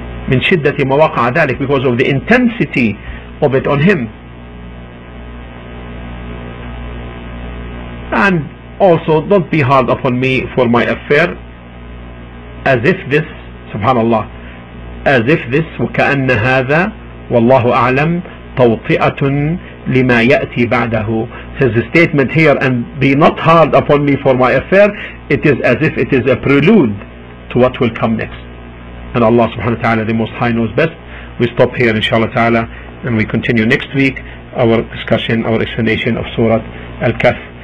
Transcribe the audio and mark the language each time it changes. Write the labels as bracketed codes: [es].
[ar] من شدة ما وقع ذلك, [en] because of the intensity of it on him. And also don't be hard upon me for my affair. As if this, subhanallah, as if this, [ar] وكأن هذا والله أعلم توطئة لما يأتي بعده. [en] His statement here, and be not hard upon me for my affair, it is as if it is a prelude to what will come next. And Allah subhanahu wa ta'ala, the Most High, knows best. We stop here inshallah ta'ala, and we continue next week our discussion, our explanation of Surah Al-Kahf.